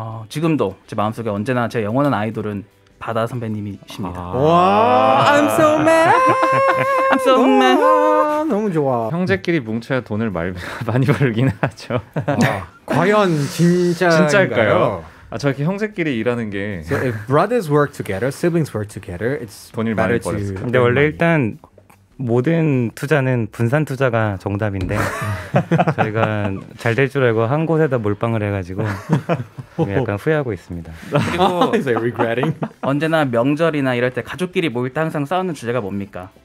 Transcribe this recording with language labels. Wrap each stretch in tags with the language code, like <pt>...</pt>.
<ko>지금도 제 마음속에 언제나 제 영원한 아이돌은 바다 선배님이십니다.</ko> <en>와, I'm so mad. I'm so mad.</en> <ko>너무 좋아. 형제끼리 뭉쳐야 돈을 많이 벌긴 하죠. 과연 진짜일까요? 아, 저렇게 형제끼리 일하는 게.</ko> <en>So if brothers work together, siblings work together, it's</en> <ko>돈을 많이 벌었을 텐데. 근데 원래 일단 모든 투자는 분산 투자가 정답인데 저희가 잘 될 줄 알고 한 곳에다 몰빵을 해가지고 약간 후회하고 있습니다. 그리고 언제나 명절이나 이럴 때 가족끼리 모일 때 항상 싸우는 주제가 뭡니까?</ko>